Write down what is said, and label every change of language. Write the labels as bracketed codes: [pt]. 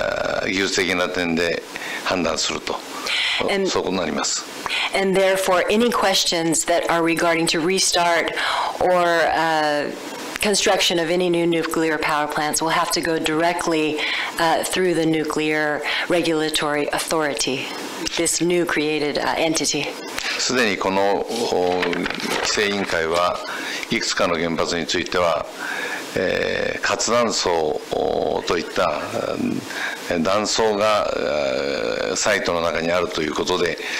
[ja] ですから、これから我が国でも再稼働を認めるかどうか、あるいは原発の新設を認めるかどうかは、この新しいルールに基づいて、まずは規制委員会が技術的な点で判断すると。 [en] And therefore, any questions that are regarding to restart or construction of any new nuclear power plants will have to go directly through the Nuclear Regulatory Authority, this new created entity. [ja] すでにこの規制委員会はいくつかの原発については、活断層といった断層がサイトの中にあるということで、